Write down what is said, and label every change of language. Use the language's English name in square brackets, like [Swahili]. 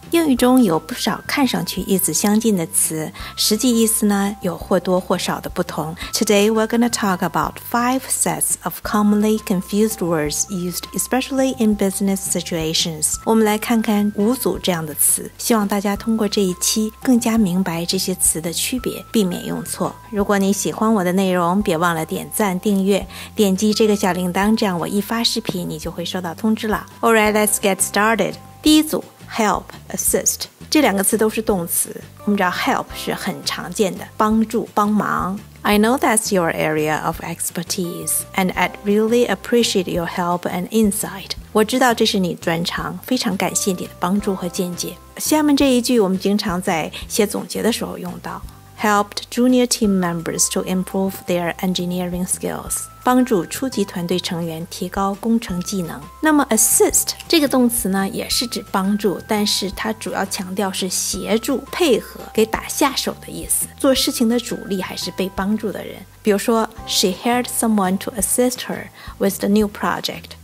[Chinese] 英语中有不少看上去意思相近的词，实际意思呢有或多或少的不同。 [English] Today we're going to talk about 5 sets of commonly confused words used especially in business situations. [Chinese] 我们来看看五组这样的词，希望大家通过这一期更加明白这些词的区别，避免用错。如果你喜欢我的内容，别忘了点赞订阅，点击这个小铃铛，这样我一发视频你就会收到通知了。 [English] Alright, let's get started. [Chinese] 第一组Help, assist， 这两个词都是动词。我们知道 help 是很常见的，帮助、帮忙。 [English] I know that's your area of expertise, and I'd really appreciate your help and insight. [Chinese] 我知道这是你专长，非常感谢你的帮助和见解。下面这一句我们经常在写总结的时候用到。 [English] Helped junior team members to improve their engineering skills. [Chinese] 帮助初级团队成员提高工程技能。那么 assist 这个动词呢，也是指帮助，但是它主要强调是协助、配合、给打下手的意思。做事情的主力还是被帮助的人。比如说 [English] ，She hired someone to assist her with the new project.